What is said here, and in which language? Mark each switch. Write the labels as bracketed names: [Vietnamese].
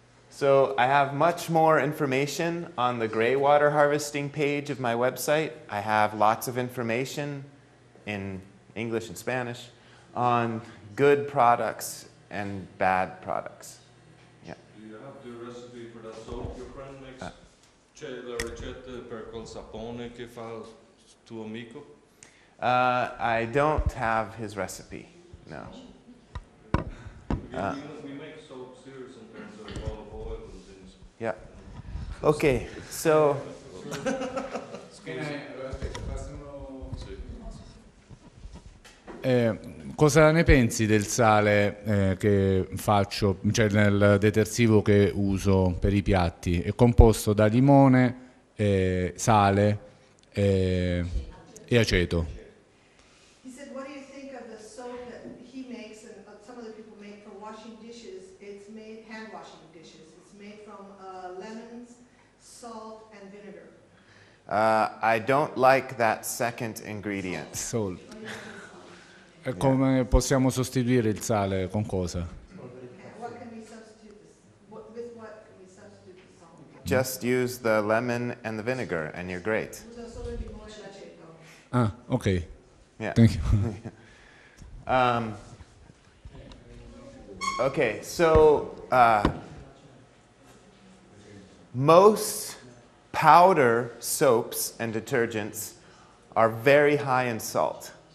[English] So I have much more information on the gray water harvesting page of my website. I have lots of information in English and Spanish on good products and bad products. Yeah. Do you have the recipe for that soap your friend makes? [Italian] C'è la ricetta per quel sapone che fa tuo amico? [English] I don't have his recipe, no. We make soaps here sometimes of olive oil and things. Yeah. Okay, so. Can I [Italian] Cosa ne pensi del sale che faccio, cioè nel detersivo che uso per i piatti? È composto da limone, sale e aceto. [English] He said, what do you think of the soap that he makes and that some of the people make for washing dishes? It's made hand washing dishes. It's made from lemons, salt and vinegar. I don't like that second ingredient. Salt. [Italian] E come possiamo sostituire il sale con cosa? [English] Just use the lemon and the vinegar and you're great. Ah, okay. Yeah. Thank you. Okay, so most powder soaps and detergents are very high in salt.